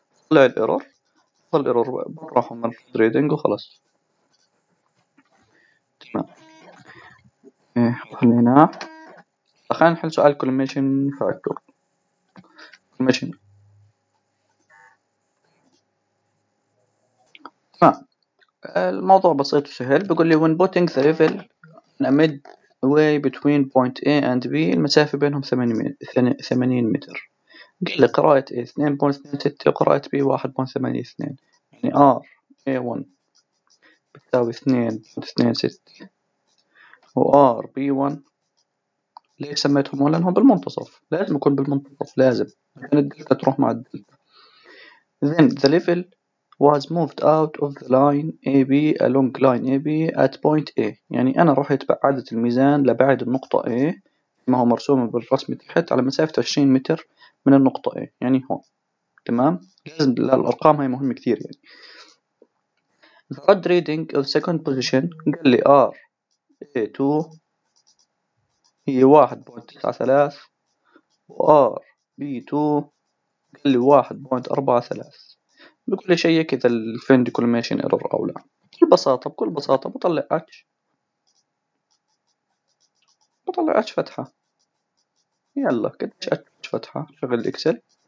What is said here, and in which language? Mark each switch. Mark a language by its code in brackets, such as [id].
[ar] طلع الإيرور، طلع الإيرور راحوا من ريدنج وخلاص، تمام. خلينا خلينا نحل سؤال كوليميشن فاكتور. كوليميشن الموضوع بسيط وسهل. بيقول لي [en] when putting the level amid way between point A and B [ar] المسافة بينهم 80 متر، قال لي قراءة A 2.26 وقراءة B 1.82، يعني R A1 بتساوي 2 2 6 و R B1 ليش سميتهم؟ لأنهم بالمنتصف، لازم يكون بالمنتصف، لازم عشان الدلتا تروح مع الدلتا. [en] Then the level was moved out of the line AB along line AB at point A. [ar] يعني أنا روح اتبعدت الميزان لبعد النقطة A ما هو مرسوم بالرسم تحت على مسافة 20 متر من النقطة A، يعني هون. تمام، لازم الأرقام هاي مهمة كثير. يعني [en] the red reading of second position [ar] قال لي R A2 هي 1.93 و R B2 قال لي 1.43. بكل شيء كذا الفند كولميشن ايرور او لا، بكل بساطة بكل بساطة بطلع اتش، بطلع اتش فتحة. يلا قديش اتش فتحة؟ شغل الاكسل.